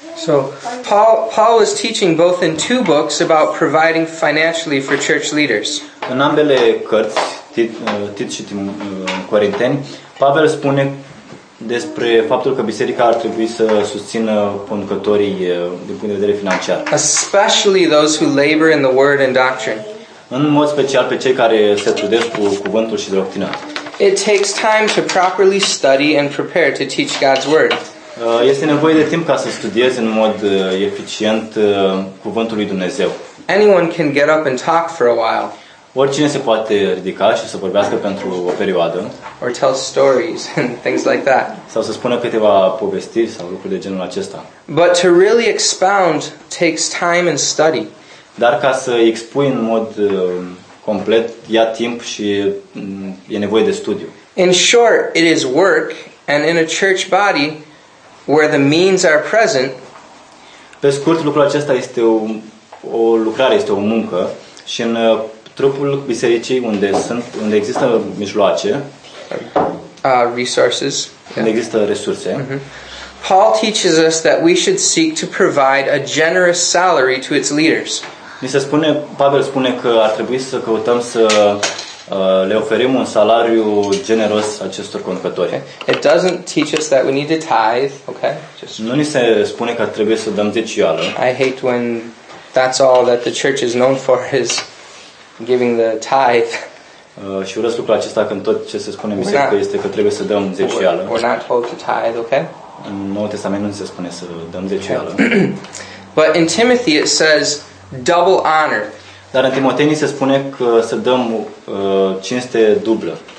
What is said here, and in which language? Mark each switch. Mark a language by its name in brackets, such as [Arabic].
[English] So, Paul is teaching both in two books about providing financially for church leaders. [Romanian] În ambele cărți, Tit și Corinteni, Pavel spune despre faptul că biserica ar trebui să susțină conducătorii din punct de vedere financiar. [English] Especially those who labor in the word and doctrine. [Romanian] În mod special pe cei care se trudesc cu cuvântul și doctrina. [English] It takes time to properly study and prepare to teach God's word. [Romanian] Este nevoie de timp ca să studiezi în mod eficient cuvântul lui Dumnezeu. [English] Anyone can get up and talk for a while. [Romanian] Oricine se poate ridica și să vorbească pentru o perioadă. [English] Or tell stories and things like that. [Romanian] Sau să spună câteva povestiri sau lucruri de genul acesta. [English] But to really expound takes time and study. [Romanian] Dar ca să expui în mod complet ia timp și e nevoie de studiu. [English] In short, it is work, and in a church body where the means are present. [Romanian] Pe scurt, lucrul acesta este o lucrare, este o muncă și în trupul bisericii unde există mijloace, [English] resources, [Romanian] unde există resurse. Mm-hmm. [English] Paul teaches us that we should seek to provide a generous salary to its leaders. [Romanian] Ni se spune, Pavel spune că ar trebui să căutăm să le oferim un salariu generos acestor conducători. [English] It doesn't teach us that we need to tithe, okay? [Romanian] Nu ni se spune că trebuie să dăm zecială. [English] I hate when that's all that the church is known for is giving the tithe. [Romanian] Și urăsc lucrul acesta când tot ce se spune în biserică este că trebuie să dăm zecială. [English] We're not told to tithe, okay? [Romanian] În Noul Testament nu se spune să dăm zecială. [English] But in Timothy it says double honor. [Romanian] Dar în Timotei se spune că să dăm cinste dublă.